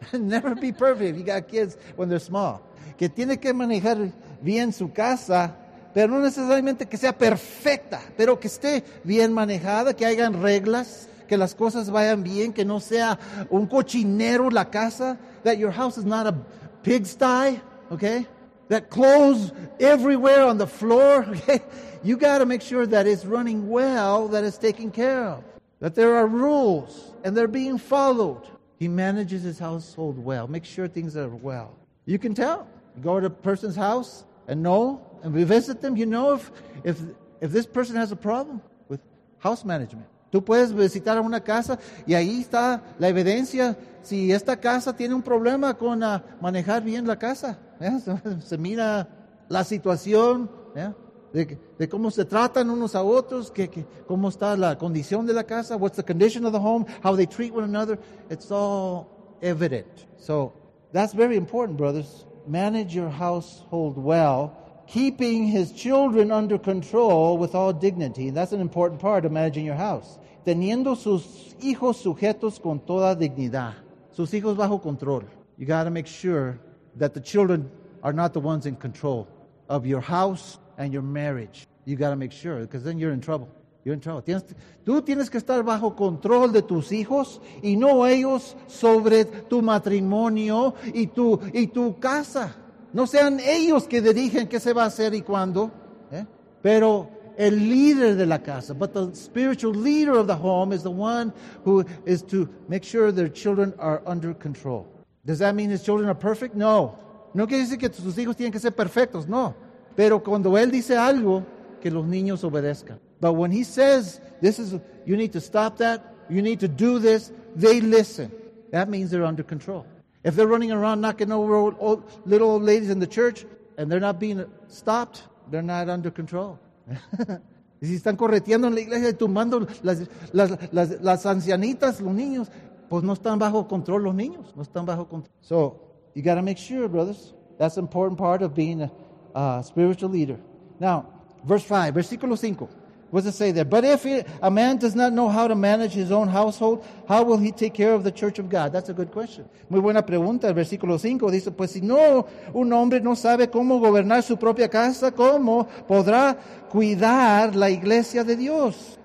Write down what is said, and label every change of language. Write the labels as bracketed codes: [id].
[en] Never be perfect if you got kids when they're small. [es] Que tiene que manejar bien su casa, pero no necesariamente que sea perfecta, pero que esté bien manejada, que hayan reglas, que las cosas vayan bien, que no sea un cochinero la casa. [en] That your house is not a pigsty, okay? That clothes everywhere on the floor, okay? You got to make sure that it's running well, that it's taken care of. That there are rules and they're being followed. He manages his household well. Make sure things are well. You can tell. You go to a person's house and know, and we visit them. You know if this person has a problem with house management. [es] Tú puedes visitar una casa y ahí está la evidencia si esta casa tiene un problema con manejar bien la casa. ¿Eh? Se mira la situación, ¿eh? De cómo se tratan unos a otros, que cómo está la condición de la casa, [en] what's the condition of the home, how they treat one another. It's all evident. So that's very important, brothers. Manage your household well, keeping his children under control with all dignity. And that's an important part of managing your house. [es] Teniendo sus hijos sujetos con toda dignidad. Sus hijos bajo control. [en] You got to make sure that the children are not the ones in control of your house and your marriage. You got to make sure, because then you're in trouble. You're in trouble. [es] Tú tienes que estar bajo control de tus hijos y no ellos sobre tu matrimonio y tu casa. No sean ellos que dirigen qué se va a hacer y cuándo. ¿Eh? Pero el líder de la casa, [en] but the spiritual leader of the home is the one who is to make sure their children are under control. Does that mean his children are perfect? No. [es] No quiere decir que sus hijos tienen que ser perfectos. No. Pero cuando él dice algo, que los niños obedezcan. [en] But when he says, this is, you need to stop that, you need to do this, they listen. That means they're under control. If they're running around knocking over little old ladies in the church, and they're not being stopped, they're not under control. [es] Y si están correteando en la iglesia y tumbando las ancianitas, los niños, pues no están bajo control los niños. No están bajo control. [en] So, you got to make sure, brothers. That's an important part of being a spiritual leader. Now, verse 5, [es] versículo 5. [en] What does it say there? But if a man does not know how to manage his own household, how will he take care of the church of God? That's a good question. [es] Muy buena pregunta. El versículo 5 dice, pues si no, un hombre no sabe cómo gobernar su propia casa, ¿cómo podrá cuidar la iglesia de Dios?